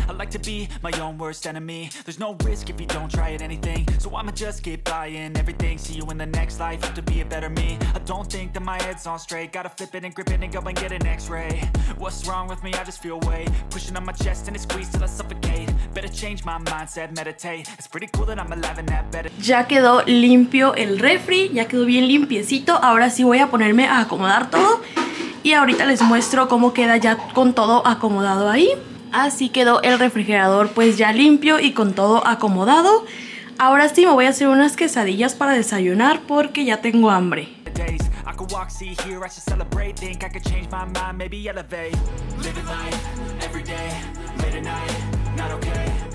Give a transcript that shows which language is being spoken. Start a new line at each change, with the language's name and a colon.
English: I like to be my own worst enemy. There's no risk if you don't try at anything, so I'ma just keep buying everything. See you in the next life, hope to be a better me. I don't think that my head's on straight. Gotta flip it and grip it and go and get an x-ray. What's wrong with me? I just feel weight pushing on my chest and it squeezes till I suffocate. Better change my mindset, meditate. It's pretty cool that I'm alive and that better.
Spanish: Ya quedó limpio el refri, ya quedó bien limpiecito. Ahora sí voy a ponerme a acomodar todo y ahorita les muestro cómo queda ya con todo acomodado ahí. Así quedó el refrigerador pues ya limpio y con todo acomodado. Ahora sí me voy a hacer unas quesadillas para desayunar porque ya tengo hambre.
English: I could walk, see, hear, I should celebrate. Think I could change my mind, maybe elevate. Living life, every day, late at night, not okay.